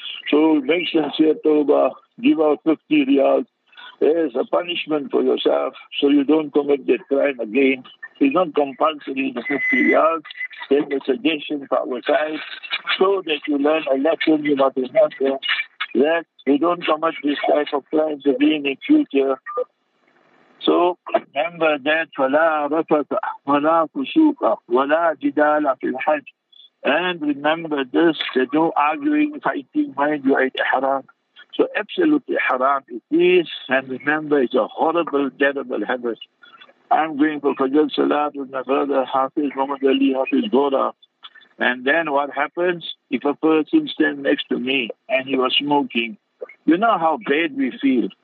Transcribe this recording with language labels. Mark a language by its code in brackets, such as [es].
[en] So make sincere tawbah. Give out 50 riyals as a punishment for yourself so you don't commit that crime again. It's not compulsory, the 50 riyals. Then the suggestion for our side so that you learn a lesson about the matter that you don't commit this type of crime again in future. So remember that [ar] وَلَا رَفَتَ وَلَا كُسُوكَ وَلَا جِدَالَ فِي الْحَجِ. [en] And remember this, there's no arguing, fighting, mind you ate haram. So absolutely haram it is. And remember, it's a horrible, terrible habit. I'm going for Fajr Salat with my brother Hafiz Muhammad Ali, Hafiz Dora. And then what happens? If a person stands next to me and he was smoking, you know how bad we feel.